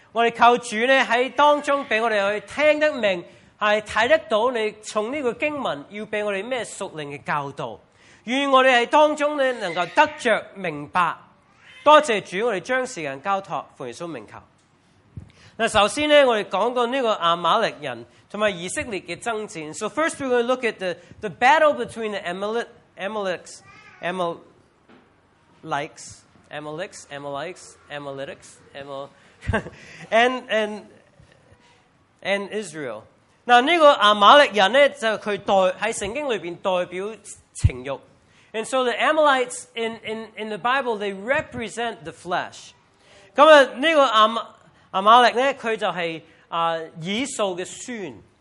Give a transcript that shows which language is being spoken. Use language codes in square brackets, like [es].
[zh] 我们求主呢，在当中给我们去听得明，是看得到你从这个经文要给我们什么属灵的教导，愿我们在当中呢能够得着明白。多谢主，我们将时间交托奉耶稣名求。首先呢，我们讲过这个亚玛力人和以色列的争战。 [en] So first we're going to look at the battle between the Amalekites and Israel. [zh] 这个亚玛力人呢，就是他在圣经里面代表情欲。 [en] And so the Amalekites in the Bible, they represent the flesh. [zh] 这个亚玛力呢，他就是以扫的孙。